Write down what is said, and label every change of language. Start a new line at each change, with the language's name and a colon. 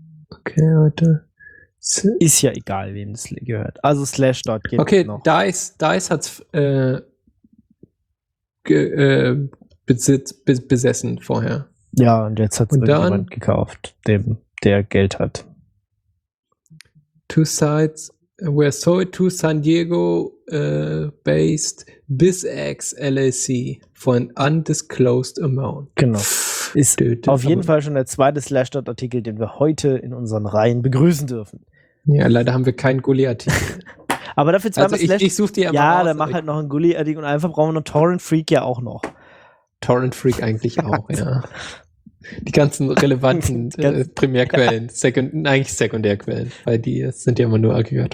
German: Okay, Leute. Ist ja egal, wem das gehört. Also Slash dort geht okay, noch. Okay, DICE hat es besessen vorher. Ja, und jetzt hat es irgendjemand gekauft, der Geld hat.
English: Two Sides were sold to San Diego based BizX LLC for an undisclosed amount.
German: Genau. Ist auf jeden Fall schon der zweite Slashdot-Artikel, den wir heute in unseren Reihen begrüßen dürfen. Ja, leider haben wir keinen Gulli-Artikel. Aber dafür zweimal also Slashdot. Ich such dir ja mal aus, dann mach halt noch einen Gulli-Artikel und einfach brauchen wir noch Torrent Freak ja auch noch. Torrent Freak eigentlich auch, ja. Die ganzen relevanten Primärquellen, Sekundärquellen, weil die sind ja immer nur aggregiert.